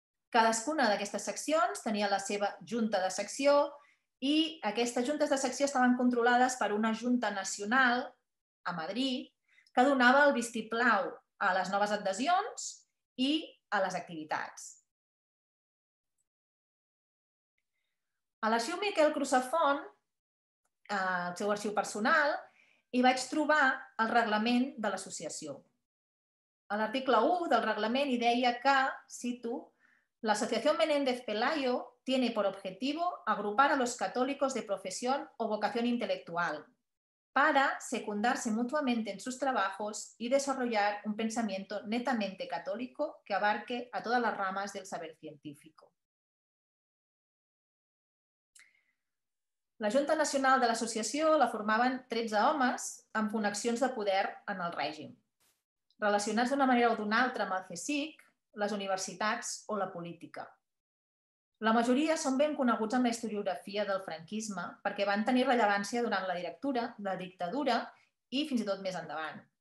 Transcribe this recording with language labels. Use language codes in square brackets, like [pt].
[ca] Cadascuna d'aquestes seccions tenia la seva junta de secció i aquestes juntes de secció estaven controlades per una junta nacional a Madrid que donava el vistiplau a les noves adhesions i a les activitats. A l'arxiu Miquel Crusafont, al seu arxiu personal, hi vaig trobar el reglament de l'associació. A l'article 1 del reglament hi deia que, cito, l'Associació [es] Menéndez Pelayo tiene por objetivo agrupar a los católicos de profesión o vocación intelectual para secundarse mutuamente en sus trabajos y desarrollar un pensamiento netamente católico que abarque a todas las ramas del saber científico. [ca] La Junta Nacional de l'Associació la formaven 13 homes amb connexions de poder en el règim, relacionats d'una manera o d'una altra amb el CSIC, les universitats o la política. La majoria són ben coneguts en la historiografia del franquisme perquè van tenir rellevància durant la directura, la dictadura i fins i tot més endavant.